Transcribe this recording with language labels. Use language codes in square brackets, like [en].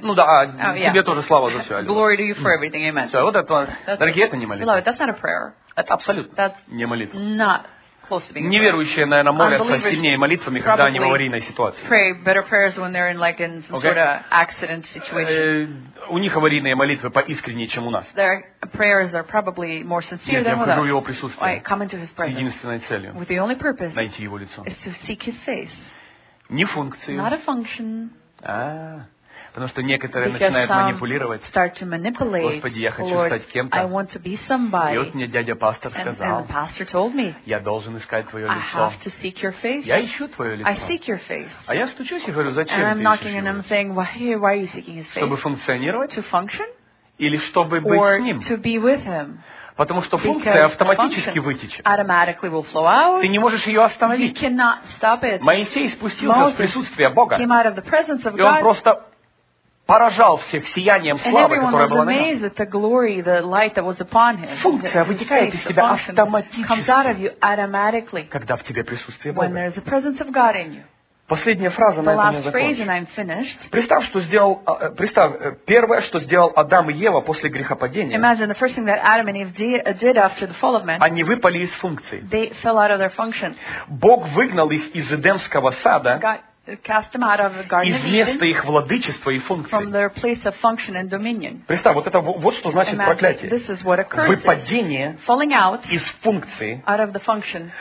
[ru] Ну да, тебе тоже слава за все. Аллилуйя. [en] Glory to you for everything, amen. [ru] Все, вот это, дорогие, это не молитва. [en] Beloved, that's not a prayer. [ru] Это абсолютно [en] that's [ru] не молитва. [en] Not close to being [ru] Неверующие, наверное, молятся сильнее молитвами, когда они в аварийной ситуации. [en] Pray better prayers when they're in, like, in some okay. sort of accident situation. [ru] У них аварийные молитвы поискреннее, чем у нас. [en] Their prayers are probably more sincere [ru] Нет, я вхожу в Его присутствие с единственной целью [en] with the only purpose [ru] найти Его лицо. [en] Is to seek his face. [ru] Не функцию. [en] Not a function. [ru] Потому что некоторые Because начинают манипулировать. [en] Start to manipulate. [ru] Господи, я хочу Lord, стать кем-то. [en] I want to be somebody. [ru] И вот мне дядя пастор сказал, [en] and the pastor told me, [ru] я должен искать твое [en] I [ru] лицо. [en] Have to seek your face. [ru] Я ищу твое лицо. [en] I seek your face. [ru] А я стучусь и говорю, зачем [en] and I'm [ru] ты [en] knocking [ru] ищешь [en] and I'm saying, why are you seeking his face? [ru] Чтобы функционировать? [en] To function? [ru] Или чтобы быть [en] Or [ru] с ним? [en] To be with him? [ru] Потому что [en] Because [ru] функция автоматически вытечет. [en] Automatically will flow out. [ru] Ты не можешь ее остановить. [en] You cannot stop it. [ru] Моисей спустился [en] Moses [ru] в присутствие Бога. [en] Came out of the presence of [ru] и он [en] God. [ru] Просто... поражал всех сиянием славы, которая была на нем. [en] The glory, the light that was upon him, [ru] функция вытекает из тебя автоматически, [en] comes out of you automatically, [ru] когда в тебе присутствие [en] when [ru] Бога. [en] There is the presence of God in you. [ru] Последняя фраза [en] the [ru] на этом я закончу. Представь, что сделал, первое, что сделал Адам и Ева после грехопадения. [en] Imagine the first thing that Adam and Eve did after the fall of man. [ru] Они выпали из функции. [en] They fell out of their function. [ru] Бог выгнал их из Эдемского сада. [en] God cast them out of the garden [ru] из места их владычества и функции. [en] From their place of function and dominion. [ru] Представь, вот это вот что значит [en] Imagine, [ru] проклятие. [en] This is what a curse [ru] Выпадение [en] is. Falling out [ru] из функции. [en] Out of the function.